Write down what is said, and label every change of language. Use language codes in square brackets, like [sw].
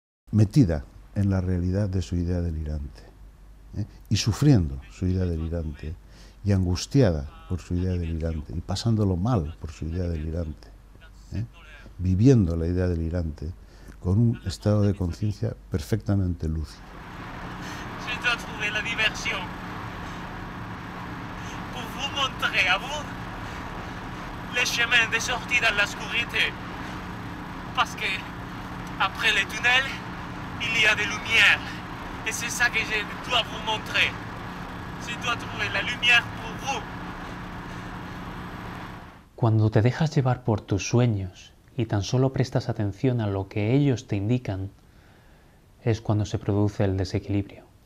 [es] Metida en la realidad de su idea delirante. Y sufriendo su idea delirante, y angustiada por su idea delirante, y pasándolo mal por su idea delirante, viviendo la idea delirante con un estado de conciencia perfectamente lúcido. [fr] Je dois trouver la diversión pour vous montrer a vous le chemin de sortie dans la oscurité, parce que après le tunnel il y a de lumière. Et c'est ça que je dois vous montrer. Je dois trouver la lumière pour vous. [es] Cuando te dejas llevar por tus sueños y tan solo prestas atención a lo que ellos te indican, es cuando se produce el desequilibrio.